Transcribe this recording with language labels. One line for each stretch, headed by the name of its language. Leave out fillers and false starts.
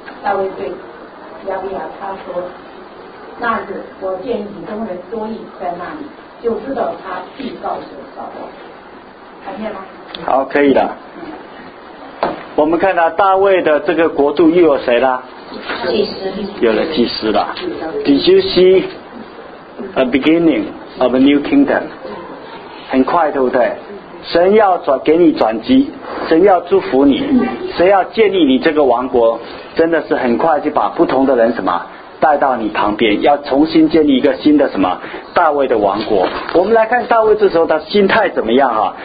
Chinese: 大卫对亚比亚他说：“那日我见以东人多益在那里，就知道他必告诉扫罗。”看见吗？好，可以的。我们看到大卫的这个国度又有谁了？祭司，有了祭司了。
English: Did you see a beginning of a new kingdom？
Chinese: 很快，对不对？神要转给你转机，神要祝福你，神要建立你这个王国，真的是很快就把不同的人什么带到你旁边，要重新建立一个新的什么大卫的王国。我们来看大卫这时候他心态怎么样啊？